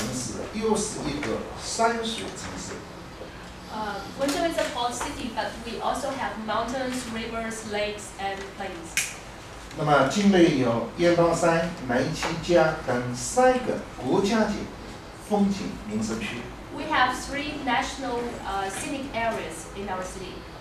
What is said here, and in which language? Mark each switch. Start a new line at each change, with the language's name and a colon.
Chinese: 那么既是一个港口城市，又是一个山水城市。
English: Guangzhou is a port city, but we also have mountains, rivers, lakes, and plains.
Chinese: 那么境内有燕邦山、南溪江等三个国家级风景名胜区。We
English: have three national scenic areas in our city.